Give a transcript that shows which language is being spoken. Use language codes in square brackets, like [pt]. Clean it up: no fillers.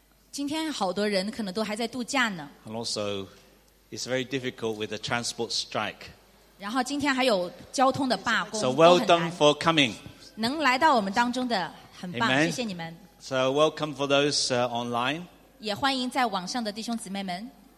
[zh] 今天好多人可能都还在度假呢。 [en] And also, it's very difficult with the transport strike. [zh] 然后今天还有交通的罢工，都很难。 [en] So well done for coming. [zh] 能来到我们当中的很棒， [en] Amen. [zh] 谢谢你们。 [en] So welcome for those online. [zh] 也欢迎在网上的弟兄姊妹们。